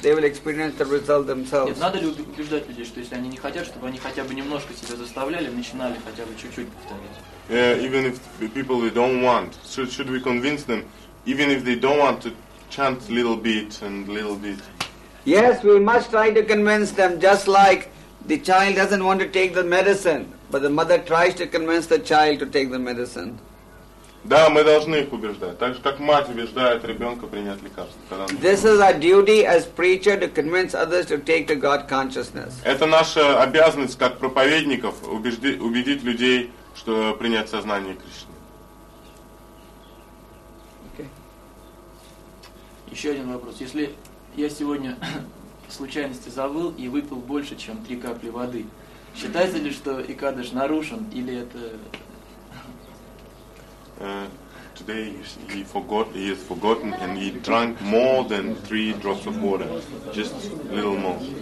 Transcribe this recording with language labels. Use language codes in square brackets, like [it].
[en] They will experience the result themselves. [ru] Надо ли убеждать людей, что если они не хотят, чтобы они хотя бы немножко себя заставляли, начинали хотя бы чуть-чуть повторять? [en] Yeah, even if the people they don't want, should we convince them, even if they don't want to chant little bit and little bit? Yes, we must try to convince them. Just like the child doesn't want to take the medicine. But the mother tries to convince the child to take the medicine. [ru] Да, мы должны их убеждать. Так же, как мать убеждает ребенка принять лекарство. [en] This is our duty as preacher to convince others to take to God consciousness. [ru] Это наша обязанность как проповедников убедить людей, что принять сознание Кришны. [en] Okay. [ru] Еще один вопрос. Если я сегодня случайности забыл и выпил больше, чем 3 капли воды, считается ли, что икадыш нарушен, или это... [en] Today he forgot, he has forgotten and he drank more than 3 drops of water, just a little more.